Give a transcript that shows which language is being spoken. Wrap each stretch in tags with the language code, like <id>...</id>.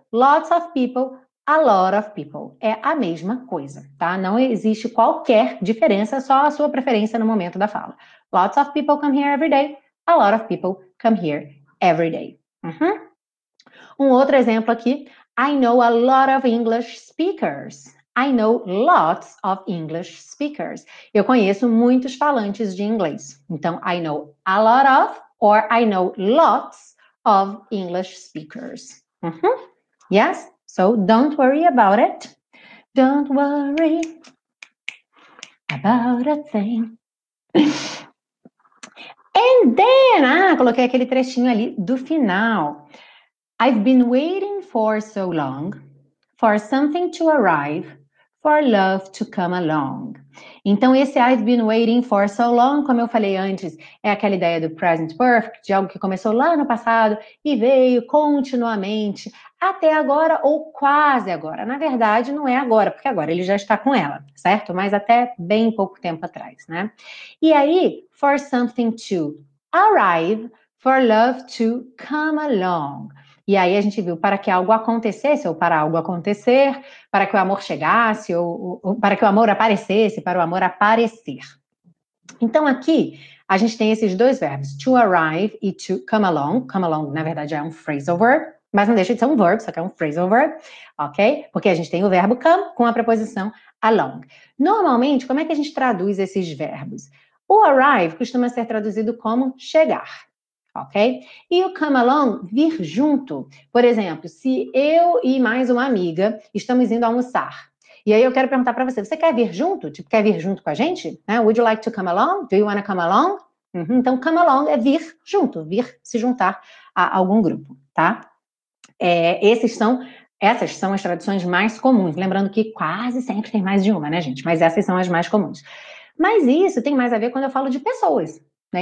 <en>Lots of people, a lot of people.</en> <pt>É a mesma coisa, tá? Não existe qualquer diferença, só a sua preferência no momento da fala.</pt> <en>Lots of people come here every day, a lot of people come here every day.</en> <pt>Um outro exemplo aqui.</pt> <en>I know a lot of English speakers. I know lots of English speakers.</en> <pt>Eu conheço muitos falantes de inglês.</pt> <en>Então, I know a lot of, or I know lots of English speakers. Yes? So, don't worry about it. Don't worry about a thing. And then,</en> <pt>coloquei aquele trechinho ali do final.</pt> <en>I've been waiting for so long, for something to arrive, for love to come along.</en> <pt>Então, esse</pt> <en>I've been waiting for so long,</en> <pt>como eu falei antes, é aquela ideia do present perfect, de algo que começou lá no passado e veio continuamente, até agora ou quase agora. Na verdade, não é agora, porque agora ele já está com ela, certo? Mas até bem pouco tempo atrás, né? E aí,</pt> <en>for something to arrive, for love to come along.</en> <pt>E aí a gente viu para que algo acontecesse, ou para algo acontecer, para que o amor chegasse, ou para que o amor aparecesse, para o amor aparecer. Então aqui, a gente tem esses dois verbos, to arrive e to come along. Come along, na verdade, é um phrasal verb, Mas não deixa de ser um verbo, só que é um phrasal verb, ok? Porque a gente tem o verbo come com a preposição along. Normalmente, como é que a gente traduz esses verbos? O arrive costuma ser traduzido como chegar, ok? E o come along, vir junto. Por exemplo, se eu e mais uma amiga estamos indo almoçar, e aí eu quero perguntar para você, você quer vir junto? Tipo, quer vir junto com a gente? Né?</pt> <en>Would you like to come along? Do you want to come along? Uhum.</en> <pt>Então, come along é vir junto, vir se juntar a algum grupo, tá? É, essas são as traduções mais comuns. Lembrando que quase sempre tem mais de uma, né, gente? Mas essas são as mais comuns. Mas isso tem mais a ver quando eu falo de pessoas, né?</pt>